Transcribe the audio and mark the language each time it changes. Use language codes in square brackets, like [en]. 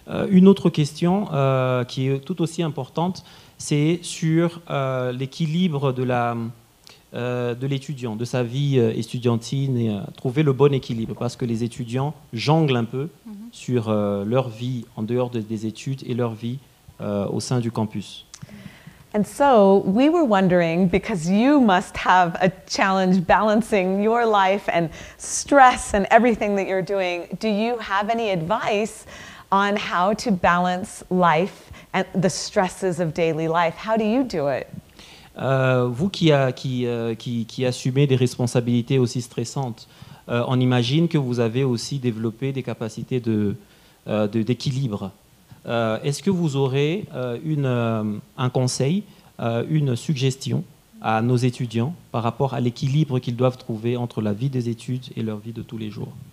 [fr] Une autre question qui est tout aussi importante, c'est sur l'équilibre de l'étudiant, de sa vie étudiantine, et trouver le bon équilibre, parce que les étudiants jonglent un peu sur leur vie en dehors des études et leur vie au sein du campus. [en] And so we were wondering, because you must have a challenge balancing your life and stress and everything that you're doing, do you have any advice on how to balance life and the stresses of daily life? How do you do it? [fr] Vous qui assumez des responsabilités aussi stressantes, on imagine que vous avez aussi développé des capacités d'équilibre. Est-ce que vous aurez un conseil, une suggestion à nos étudiants par rapport à l'équilibre qu'ils doivent trouver entre la vie des études et leur vie de tous les jours?